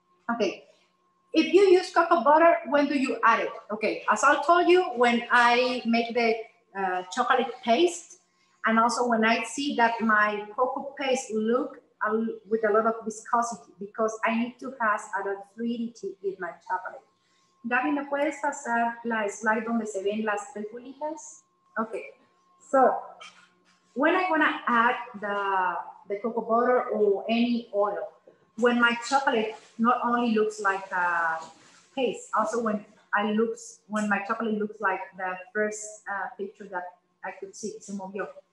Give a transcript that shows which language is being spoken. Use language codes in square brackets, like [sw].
[en] Ok. If you use cocoa butter, when do you add it? Okay, as I told you, when I make the chocolate paste, and also when I see that my cocoa paste look with a lot of viscosity, because I need to have a lot of fluidity in my chocolate. [es] Gaby, ¿me puedes pasar la slide donde se ven las tres bolitas? [en] Okay, so when I want to add the cocoa butter or any oil, when my chocolate not only looks like a paste, also when my chocolate looks like the first picture that I could see, some of you.